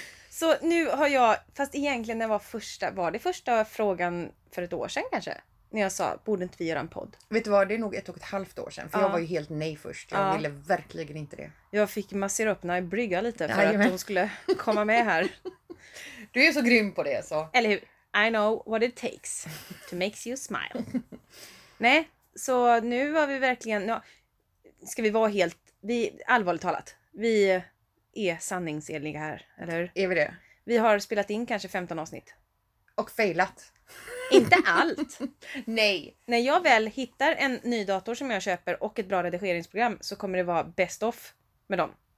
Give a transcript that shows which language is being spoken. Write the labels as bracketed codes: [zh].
[sv] Så nu har jag, fast egentligen när var det första frågan för ett år sedan kanske? När jag sa, borde inte vi göra en podd? Vet du vad, det är nog ett och ett halvt år sedan. För jag var ju helt nej först. Jag ville verkligen inte det. Jag fick massera upp när jag brygga lite för att hon skulle komma med här. Du är så grym på det, så. Eller hur? [en] I know what it takes to make you smile. [sv] Nej, så nu har vi verkligen... Nu ska vi vara helt... Vi, allvarligt talat, vi är sanningsenliga här, eller hur? Är vi det? Vi har spelat in kanske 15 avsnitt. Och failat. Inte allt. Nej. När jag väl hittar en ny dator som jag köper och ett bra redigeringsprogram så kommer det vara best of med dem.